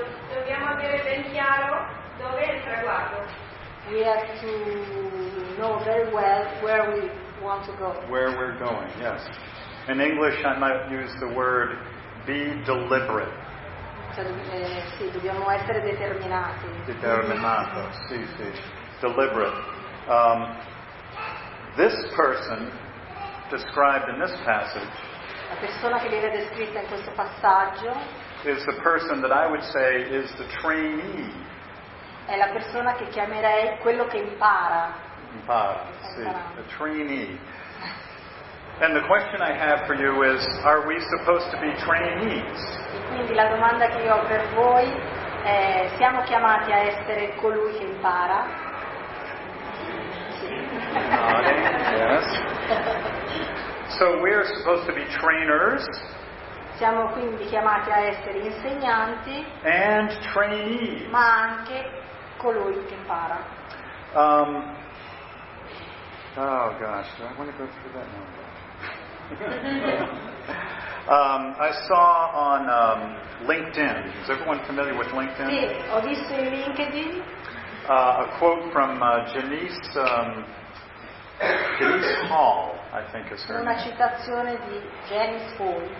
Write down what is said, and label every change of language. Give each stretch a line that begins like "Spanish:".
Italian: Dobbiamo avere ben chiaro dove è il traguardo.
English: We have to know very well where we want to go. Where we're going, yes. In English, I might use the word be deliberate.
Italian: Sì, dobbiamo essere determinati. Determinato, sì. Deliberate.
English: This person described in this passage.
Italian: La persona che viene descritta in questo passaggio
English: is the person that I would say is the trainee.
Italian: È la persona che chiamerei quello che impara. Impara, sì,
English: the trainee. And the question I have for you is, are we supposed to be trainees?
Italian: E quindi la domanda che io ho per voi è, siamo chiamati a essere colui che impara?
English: Nodding, yes. So we are supposed to be trainers.
Italian: Siamo quindi chiamati a essere insegnanti.
English: And trainees.
Italian: Ma anche colui che impara.
English: Oh gosh, do I want to go through that now? I saw on LinkedIn. Is everyone familiar with LinkedIn?
Italian: Sì, ho visto in LinkedIn.
English: A quote from Janice Hall, I think is her.
Italian: Una citazione di Janice Hall.